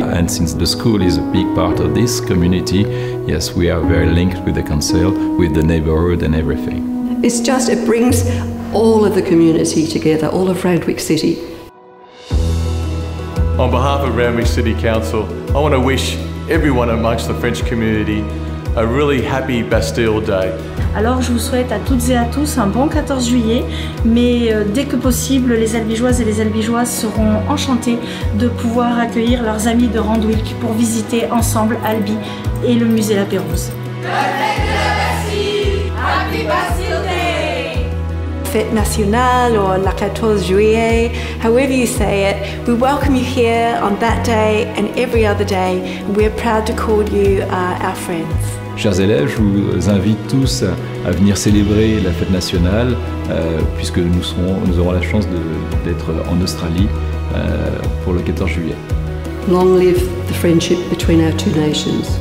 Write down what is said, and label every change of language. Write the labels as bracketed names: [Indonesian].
[English] And since the school is a big part of this community, yes, we are very linked with the council, with the neighbourhood and everything. It's just, it brings all of the community together, all of Randwick City. On behalf of Randwick City Council, I want to wish everyone amongst the French community a really happy Bastille Day. [French] Alors, je vous souhaite à toutes et à tous un bon 14 juillet, mais dès que possible, les Albigeoises et les Albigeois seront enchantés de pouvoir accueillir leurs amis de Randwick pour visiter ensemble Albi et le musée La Pérouse. [English] Fête nationale or la 14 juillet, however you say it, we welcome you here on that day and every other day. We're proud to call you our friends. [French] Chers élèves, je vous invite tous à venir célébrer la fête nationale puisque nous aurons la chance d'être en Australie pour le 14 juillet. [English] Long live the friendship between our two nations.